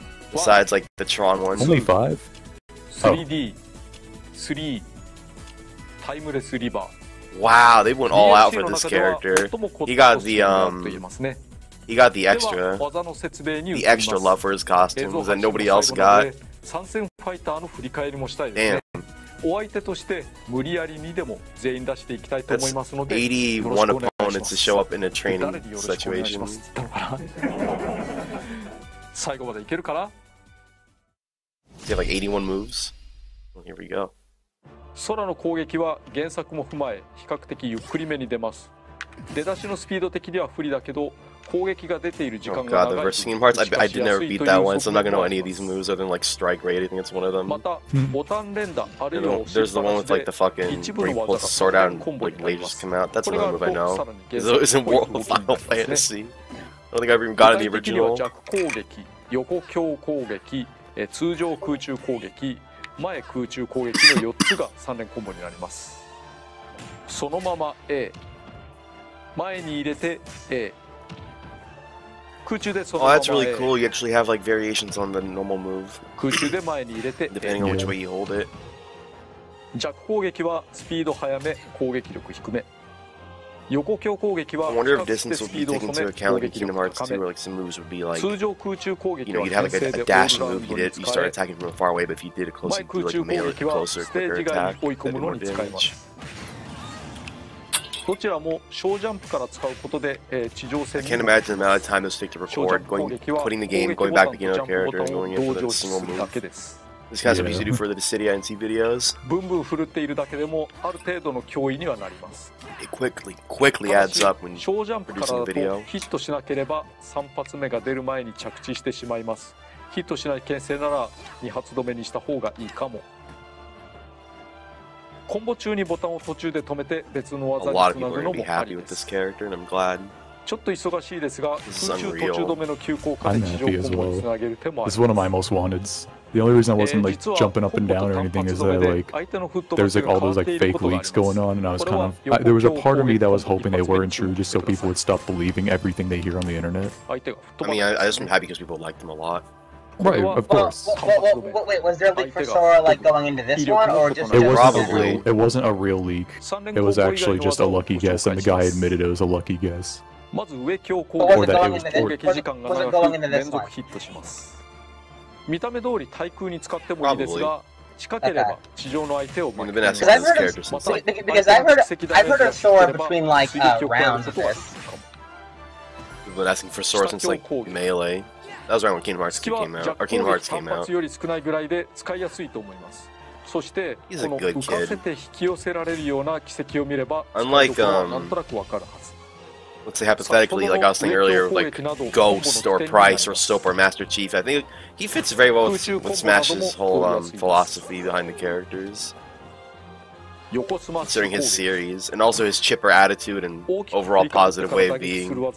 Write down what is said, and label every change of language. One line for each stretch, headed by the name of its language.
English: Besides, like, the Tron ones. Only five? Oh. 3D. 3. Timeless River. Wow, they went all out for this character. He got the extra. The extra love for his costumes that nobody else got.
Japanese: 参戦ファイターの振り返りもしたいですね。
English: Damn.
Japanese: お相手として無理やりにでも全員出していきたいと思いますので、
English: That's 81 opponents to show up in a training situation.
Japanese: 最後までいけるかな?
English: They have like 81 moves. Well, here we go.
Japanese: ソラの攻撃は原作も踏まえ比較的ゆっくりめに出ます。出だしのスピード的には不利だけど、攻撃が出ている時間が長い。
English: Oh god, the verse parts, I did never beat that one, so I'm not gonna know any of these moves other than like strike rate, I think it's one of them.
Japanese: またボタン連打あるいは
English: there's the one with like the fucking where he pulls the sword out and like lasers come out. That's another move I know. It's in World of Final Fantasy. I don't think I've even gotten the original.
Japanese: 具体的には弱攻撃、横強攻撃、通常空中攻撃、前空中攻撃の4つが3連コンボになります。そのまま A、 前に入れて A、
English: Oh, that's really cool. You actually have like variations on the normal move. Depending on which way you hold it.
Japanese: 弱攻撃はスピード速め、攻撃力低め。横強攻撃は比較的スピード止め、攻撃力高め。
English: Kingdom Hearts 2 where like some moves would be like,
Japanese: 通常空中攻撃は
English: you know, you'd have like a dash move. You did, you start attacking from far away, but if you did a close, you'd do like a melee closer, quicker attack, that'd be more damage.
Japanese: どちらも小ジャンプから使うことで、地上戦に向かう。小ジャンプ攻撃は攻撃ボタンとジャンプボタンを同時押しするだけです。
English: This guy's easy to do for the Dissidia NC videos.
Japanese: ブンブン振るっているだけでもある程度の脅威にはなります。
English: It quickly adds up when you're producing the video.
Japanese: 小ジャンプからだとヒットしなければ3発目が出る前に着地してしまいます。ヒットしない牽制なら2発止めにした方がいいかも。コンボ中にボタンを途中で止めて別の技につなぐのもありです。
English: A lot of people are happy with this character and I'm glad.
Japanese: ちょっと忙しいですが、空中途中止めの急降下で地上コンボにつなげる手もあります。
English: well. This is one of my most wanted. The only reason I wasn't like jumping up and down or anything is that like there's like all those like fake leaks going on and I was kind of there was a part of me that was hoping they weren't true just so people would stop believing everything they hear on the internet. I mean, I just am happy because people liked them a lot. Right, of course. Wait, was there a leak for Sora like going into this one or just it wasn't, probably. It wasn't a real leak. It was actually just a lucky guess and the guy admitted it was a lucky guess. Or that it was going into this one.
Japanese: 見た目通り対空に使ってもいいですが、近ければ地上の相手を巻き込みます。
English: I've heard of Sora between like rounds of this. But asking for Sora since like melee. That was around when Kingdom Hearts 2 came out. Or Kingdom Hearts came out.
Japanese: より少ないぐらいで使いやすいと思います。そしてこの浮かせて引き寄せられるような奇跡を見れば、
English: Unlike,
Japanese: なんとなくわかるはず。
English: Let's say hypothetically, like I was saying earlier, like Ghost or Price or Soap or Master Chief. I think he fits very well with Smash's whole philosophy behind the characters. Considering his series and also his chipper attitude and overall positive way of being.